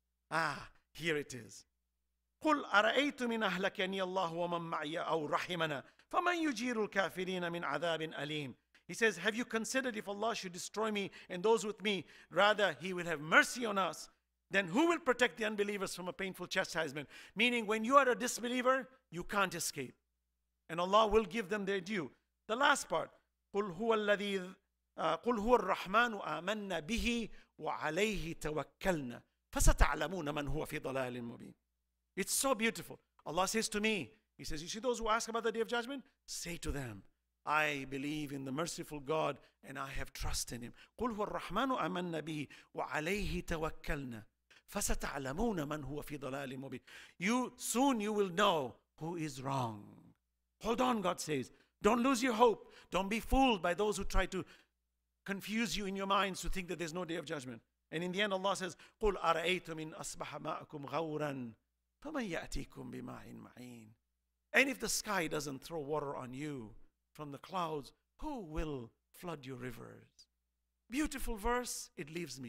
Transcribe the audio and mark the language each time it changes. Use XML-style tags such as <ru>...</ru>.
<en>Ah, here it is.</en> <ar>قُلْ أَرَأَيْتُ مِنْ أَهْلَكَنِيَ اللَّهُ وَمَنْ مَعْيَ أَوْ رَحِمَنَا فَمَنْ يُجِيرُ الْكَافِرِينَ مِنْ عَذَابٍ أَلِيمٍ.</ar> <en>He says, have you considered if Allah should destroy me and those with me, rather he will have mercy on us, then who will protect the unbelievers from a painful chastisement? Meaning when you are a disbeliever, you can't escape. And Allah will give them their due. The last part,</en> <ar>قُلْ هُوَ الرَّحْمَنُ آمَنَّا بِهِ وَعَلَيْهِ تَوَكَّلْنَا فَسَتَعْلَمُونَ مَنْ هُوَ فِي ضَلَالٍ مُبِينٍ.</ar> <en>It's so beautiful. Allah says to me, He says, you see those who ask about the Day of Judgment? Say to them, I believe in the merciful God and I have trust in Him.</en> <ar>قُلْ هُوَ الرَّحْمَنُ آمَنَّا بِهِ وَعَلَيْهِ تَوَكَّلْنَا فَسَتَعْلَمُونَ مَنْ هُوَ فِي ضَلَالٍ مُبِينٍ.</ar> <en>Soon you will know who is wrong. Hold on, God says. Don't lose your hope. Don't be fooled by those who try to confuse you in your minds to think that there's no Day of Judgment. And in the end, Allah says,</en> <ar>قُلْ أَرَأَيْتُ مِنْ أَصْبَحَ مَاءَكُمْ غَوْرًا فَمَنْ يَأْتِيكُمْ بِمَاءٍ مَعِينٍ.</ar> <en>And if the sky doesn't throw water on you from the clouds, who will flood your rivers? Beautiful verse, it leaves me.</en>